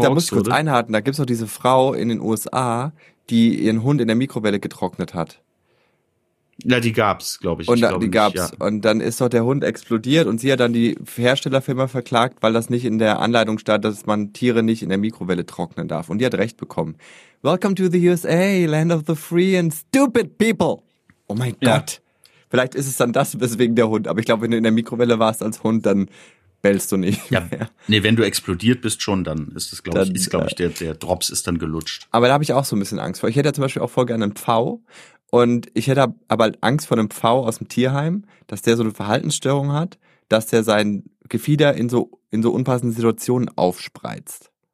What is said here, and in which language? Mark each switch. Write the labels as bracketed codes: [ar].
[de] Da muss ich kurz einhaken. Da gibt's noch diese Frau in den USA, die ihren Hund in der Mikrowelle getrocknet hat. Na, die gab's, glaube ich. Und die gab's. Nicht, ja. Und dann ist doch der Hund explodiert und sie hat dann die Herstellerfirma verklagt, weil das nicht in der Anleitung stand, dass man Tiere nicht in der Mikrowelle trocknen darf. Und die hat recht bekommen. [en] Welcome to the USA, land of the free and stupid people. [de] Oh mein Gott. Vielleicht ist es dann das, weswegen der Hund. Aber ich glaube, wenn du in der Mikrowelle warst als Hund, dann bellst du nicht mehr. Nee, wenn du explodiert bist schon, dann ist das, glaube ich, der Drops ist dann gelutscht. Aber da habe ich auch so ein bisschen Angst vor. Ich hätte ja zum Beispiel auch voll gerne einen Pfau. Und ich hätte aber Angst vor einem Pfau aus dem Tierheim, dass der so eine Verhaltensstörung hat, dass der sein Gefieder in so unpassenden Situationen aufspreizt.